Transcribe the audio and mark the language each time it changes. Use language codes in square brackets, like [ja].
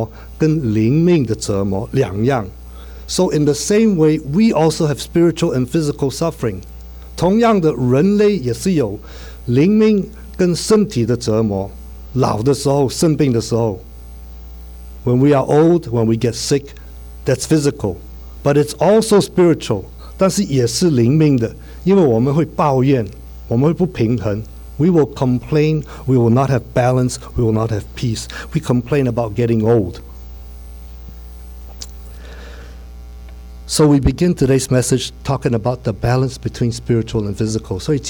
[zh] 上个礼拜很清楚，我们结束的时候，我提到主耶稣是肉体的折磨跟灵命的折磨两样。 [en] So in the same way, we also have spiritual and physical suffering. [zh] 同样的，人类也是有灵命跟身体的折磨，老的时候，生病的时候。 [en] When we are old, when we get sick, that's physical, but it's also spiritual. [zh] 但是也是灵命的，因为我们会抱怨。我们会不平衡, [en] we will complain, we will not have balance, we will not have peace. We complain about getting old. So we begin today's message talking about the balance between spiritual and physical.